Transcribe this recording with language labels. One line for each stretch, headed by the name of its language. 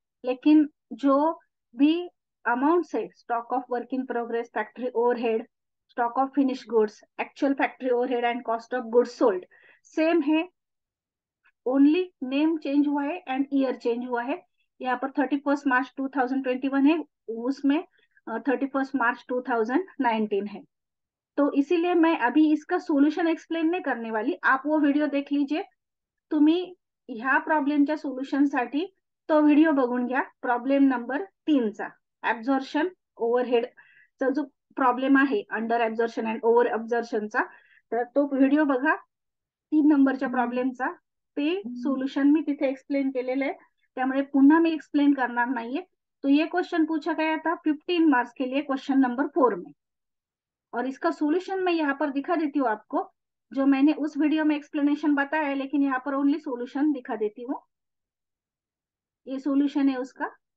Hindi: लेकिन जो भी अमाउंट है, stock of work in progress, factory overhead, stock of finish goods, actual factory overhead and cost of goods sold same है, only name change हुआ है and year change हुआ है. यहाँ पर 31 मार्च 2021 है, उसमें 31 मार्च 2019 है. तो इसीलिए मैं अभी इसका सॉल्यूशन एक्सप्लेन नहीं करने वाली, आप वो वीडियो देख लीजिए.
Marathi: तुम्ही ह्या प्रॉब्लेमच्या सॉल्यूशन साठी तो व्हिडिओ बघून घ्या, प्रॉब्लेम नंबर 3 चा, ऍब्सॉरप्शन ओव्हरहेड चा जो प्रॉब्लेम आहे, अंडर ऍब्सॉरप्शन अँड ओव्हर ऍब्सॉरप्शनचा, तर तो व्हिडिओ बघा 3 नंबरच्या प्रॉब्लेमचा. ते सॉल्यूशन मी तिथे एक्सप्लेन केलेलं आहे, त्यामुळे पुन्हा मी एक्सप्लेन करणार नाहीये.
Hindi: तो ये क्वेश्चन पूछा गया था 15 मार्क्स के लिए, क्वेश्चन नंबर 4 में, और इसका सॉल्यूशन मैं यहाँ पर दिखा देती हूँ आपको, जो मैंने उस वीडियो में एक्सप्लेनेशन बताया है, लेकिन यहाँ पर ओनली सॉल्यूशन दिखा देती हूँ. ये सॉल्यूशन है उसका.